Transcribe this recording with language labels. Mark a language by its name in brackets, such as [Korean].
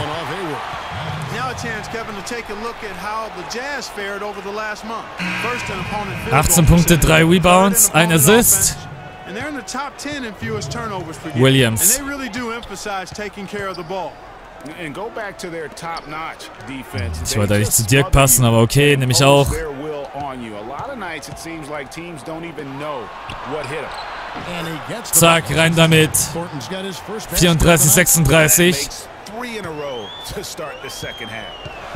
[English] Now a chance, Kevin, to take a look at how the Jazz fared over the last month. First an opponent [German] 18 Punkte, 3 rebounds, ein Assist. [English] And they're in the top 10 in fewest turnovers for Williams. And they really do emphasize taking care of the ball. And go back to their top-notch defense. [German] Ich wollte eigentlich zu Dirk passen, aber okay, nehme ich auch. [English] A lot of nights it seems like teams don't even know what hit them. And he gets the zack, [German] rein damit. [English] 34-36. Three in a row to start the second half.